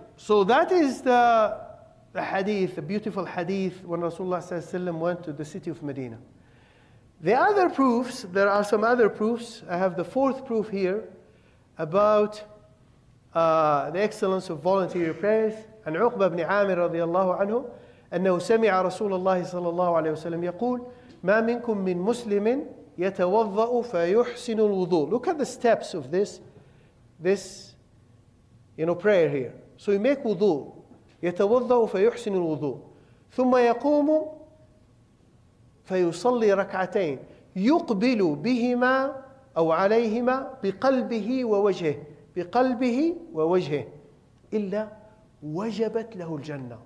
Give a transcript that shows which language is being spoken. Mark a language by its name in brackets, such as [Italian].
[English] So that is the hadith, the beautiful hadith when Rasulullah sallallahu alayhi wa sallam went to the city of Medina. The other proofs, there are some other proofs. I have the fourth proof here about the excellence of voluntary prayers. [Arabic] عن عقبة بن عامر رضي الله عنه أنه سمع رسول الله صلى الله عليه وسلم يقول ما منكم من مسلم يتوضأ فيحسن الوضوء. [English] Look at the steps of this you know, prayer here. So you make wudu. [Arabic] يتوضأ فيحسن الوضوء ثم يقوم فيصلي ركعتين يقبل بهما أو عليهما بقلبه ووجهه بقلبه ووجهه إلا وجبت له الجنة.